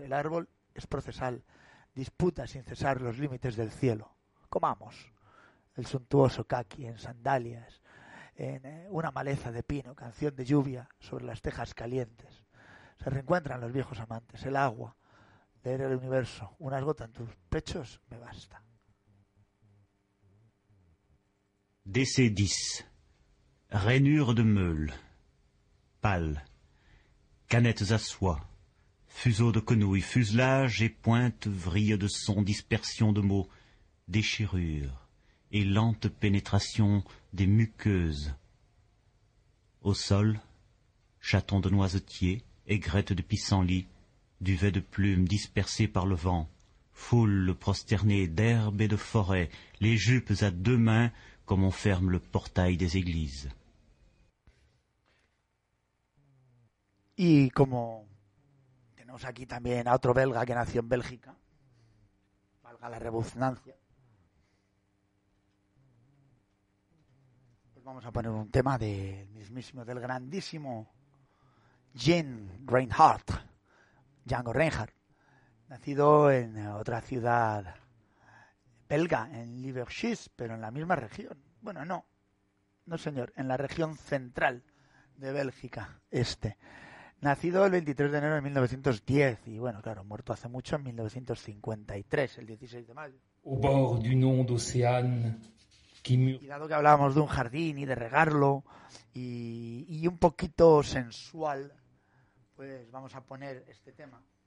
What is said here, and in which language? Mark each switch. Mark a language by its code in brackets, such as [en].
[es] El árbol es procesal, disputa sin cesar los límites del cielo. Comamos. El suntuoso caqui en sandalias, en una maleza de pino, canción de lluvia sobre las tejas calientes. Se reencuentran los viejos amantes, el agua, leer el universo, unas gotas en tus pechos me basta. [fr] DC-10, rainure de meule, pâle, canettes à soie, fuseau de quenouille, fuselage et pointe, vrille de son, dispersion de mots, déchirure et lente pénétration des muqueuses. Au sol, chaton de noisetier, aigrette de pissenlit, duvet de plumes dispersées par le vent, foule prosternée d'herbes et de forêts, les jupes à deux mains comme on ferme le portail des églises. [es] Y como tenemos aquí también a otro belga que nació en Bélgica, valga la redundancia, pues vamos a poner un tema del mismísimo, del grandísimo Jean Reinhardt, Django Reinhardt, nacido en otra ciudad belga, en Liberchis, pero en la misma región. Bueno, no señor, en la región central de Bélgica, este. Nacido el 23 de enero de 1910 y, bueno, claro, muerto hace mucho, en 1953, el 16 de mayo. [fr] Au bord d'une onde océane qui mûre. [es] Y dado que hablábamos de un jardín y de regarlo y un poquito sensual, pues vamos a poner este tema.